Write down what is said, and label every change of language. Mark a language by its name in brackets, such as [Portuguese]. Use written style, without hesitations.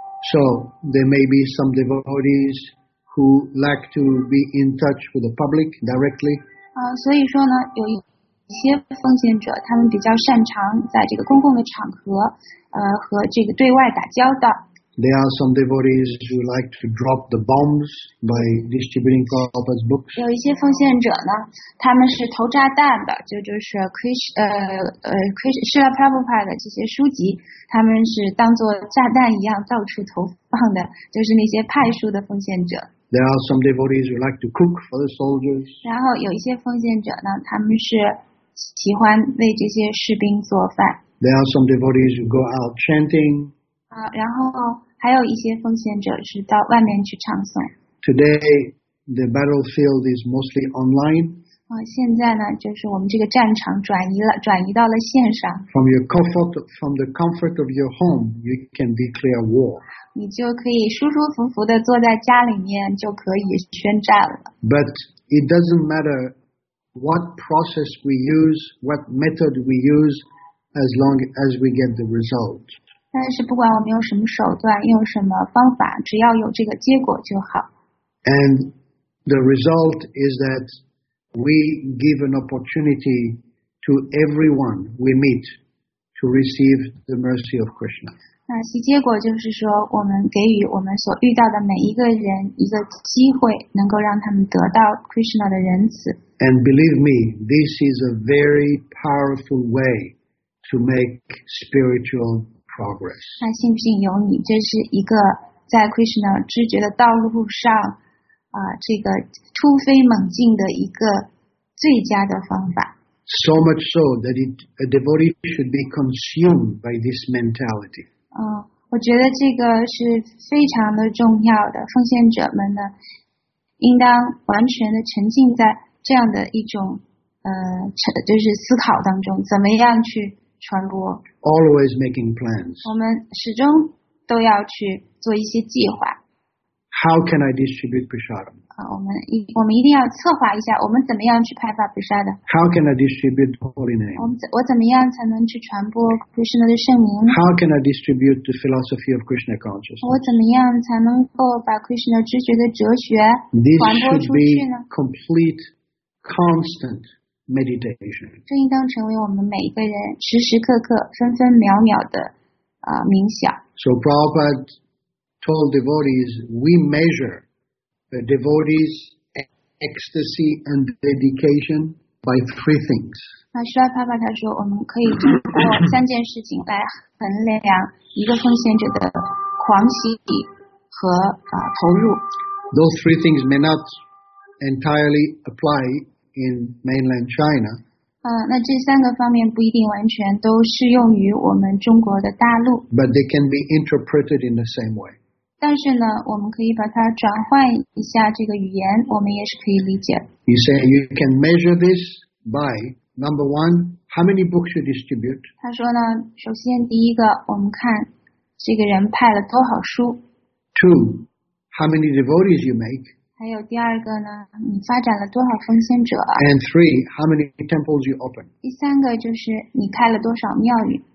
[English] So there may be some devotees who lack to be in touch with the public directly. [Chinese] 所以说呢，有一些奉献者他们比较擅长在这个公共的场合。和这个对外打交道。 [English] There are some devotees who like to drop the bombs by distributing Prabhupada's books. [Chinese] 有一些奉献者呢，他们是投炸弹的，就是 Krishna Prabhupada 的这些书籍，他们是当作炸弹一样到处投放的，就是那些派书的奉献者。 [English] There are some devotees who like to cook for the soldiers. [Chinese] 然后有一些奉献者呢，他们是喜欢为这些士兵做饭。 [English] There are some devotees who go out chanting. [Chinese] 然后还有一些奉献者是到外面去唱诵。 [English] Today, the battlefield is mostly online. [Chinese] 现在呢，就是我们这个战场转移到了线上。 [English] From the comfort of your home, you can declare war. [Chinese] 你就可以舒舒服服地坐在家里面就可以宣战了。 [English] But it doesn't matter what process we use, what method we use, as long as we get the result. [Chinese] 但是不管我们用什么手段，用什么方法，只要有这个结果就好。 [English] And the result is that we give an opportunity to everyone we meet to receive the mercy of Krishna. [Chinese] 那其结果就是说，我们给予我们所遇到的每一个人一个机会，能够让他们得到 Krishna 的仁慈。 [English] And believe me, this is a very powerful way to make spiritual progress. [Chinese] 那信不信由你，这是一个在 Krishna 知觉的道路上，这个突飞猛进的一个最佳的方法。 [English] So much so that a devotee should be consumed by this mentality. [Chinese] 我觉得这个是非常的重要的，奉献者们呢，应当完全的沉浸在这样的一种就是思考当中，怎么样去传播。 [English] Always making plans. [Chinese] 我们始终都要去做一些计划。 [English] How can I distribute prasadam? [Chinese] 我们一定要策划一下，我们怎么样去派发 prasadam? [English] How can I distribute the holy name? [Chinese] 我怎么样才能去传播 Krishna 的圣名？ [English] How can I distribute the philosophy of Krishna consciousness? [Chinese] 我怎么样才能够把 Krishna 知觉的哲学传播出去呢？ [English] This should be complete, constant meditation. [Chinese] 这应当成为我们每一个人时时刻刻、分分秒秒的冥想。 [English] So Prabhupada. Told devotees, we measure the devotees' ecstasy and dedication by three things. [Chinese] 那释迦牟尼佛他说，我们可以通过三件事情来衡量一个奉献者的狂喜和投入。 [English] Those three things may not entirely apply in mainland China. [Chinese] 那这三个方面不一定完全都适用于我们中国的大陆。 [English] But they can be interpreted in the same way. [Chinese] 但是呢，我们可以把它转换一下这个语言，我们也是可以理解。 [English] You say you can measure this by number one, how many books you distribute? [Chinese] 他说呢，首先第一个，我们看这个人派了多少书。 [English] Two, how many devotees you make? [Chinese] 还有第二个呢，你发展了多少奉献者。 [English] And three, how many temples you open? [Chinese] 第三个就是你开了多少庙宇。